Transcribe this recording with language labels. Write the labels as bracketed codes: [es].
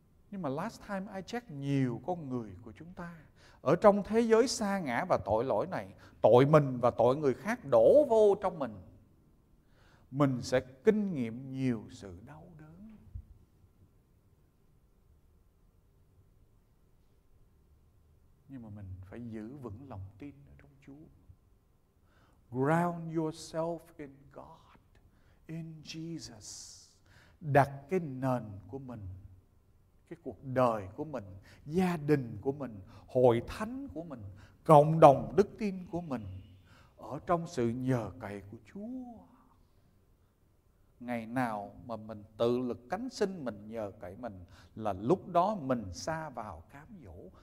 [vi] Nhưng mà [en] last time I checked, [vi] nhiều con người của chúng ta ở trong thế giới sa ngã và tội lỗi này, tội mình và tội người khác đổ vô trong mình, mình sẽ kinh nghiệm nhiều sự đau đớn. Nhưng mà mình phải giữ vững lòng tin ở trong Chúa. [en] Ground yourself in God, in Jesus. [vi] Đặt cái nền của mình, cái cuộc đời của mình, gia đình của mình, hội thánh của mình, cộng đồng đức tin của mình ở trong sự nhờ cậy của Chúa. Ngày nào mà mình tự lực cánh sinh, mình nhờ cậy mình, là lúc đó mình sa vào cám dỗ.